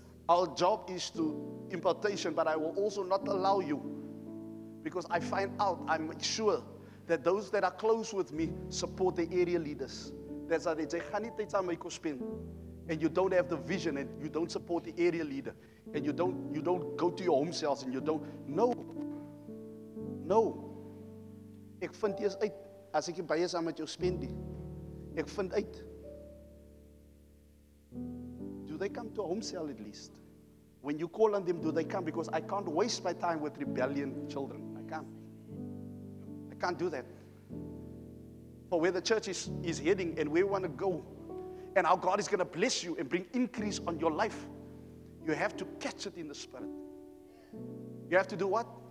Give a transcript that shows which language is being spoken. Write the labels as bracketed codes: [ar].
[en] Our job is to impartation, but I will also not allow you, because I find out, I'm sure, that those that are close with me support the area leaders. That's why they [af] gaan nie tyd aan my kos [en] spend. And you don't have the vision, and you don't support the area leader, and you don't go to your home cells, and you don't. No. [af] Ek vind eers uit as ek baie saam met jou spend. Ek vind uit. [en] Do they come to a home cell at least? When you call on them, do they come? Because I can't waste my time with rebellion children. I can't do that. For where the church is heading and where we want to go, and how God is going to bless you and bring increase on your life, you have to catch it in the spirit. You have to do what?